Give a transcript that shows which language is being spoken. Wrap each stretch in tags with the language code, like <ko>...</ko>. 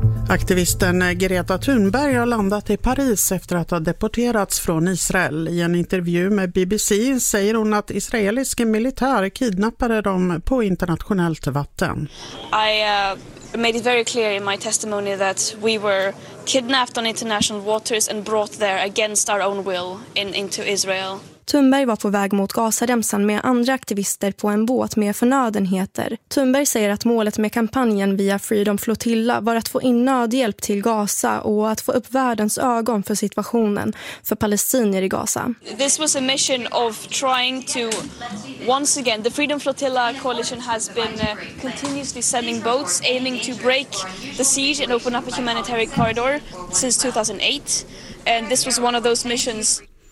<sv>Aktivisten Greta Thunberg har landat i Paris efter att ha deporterats från Israel. I en intervju med BBC säger hon att israeliska militär kidnappade dem på internationellt vatten.</sv> <en>I made it very clear in my testimony that we were kidnapped on international waters and brought there against our own will into Israel.</en> <sv>Thunberg var på väg mot Gazaremsan med andra aktivister på en båt med förnödenheter. Thunberg säger att målet med kampanjen via Freedom Flotilla var att få in nödhjälp till Gaza och att få upp världens ögon för situationen för palestinier i Gaza.</sv> <en>This was a mission of trying to once again the Freedom Flotilla coalition has been continuously sending boats aiming to break the siege and open up a humanitarian corridor since 2008, and this was one of those missions.</en>